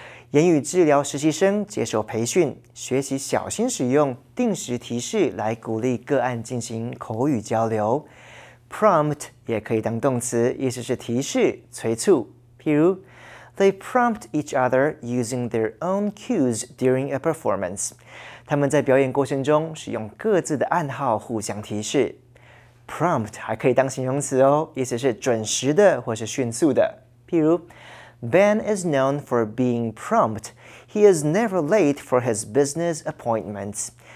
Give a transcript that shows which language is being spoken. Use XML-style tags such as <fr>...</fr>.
<zh>言语治疗实习生接受培训，学习小心使用定时提示来鼓励个案进行口语交流。 Prompt 也可以当动词，意思是提示、催促。</zh> <en>譬如 ，They prompt each other using their own cues during a performance.</en> <zh>他们在表演过程中使用各自的暗号互相提示。 Prompt 还可以当形容词哦，意思是准时的或是迅速的。</zh> <en>譬如 ，Ben is known for being prompt. He is never late for his business appointments.</en>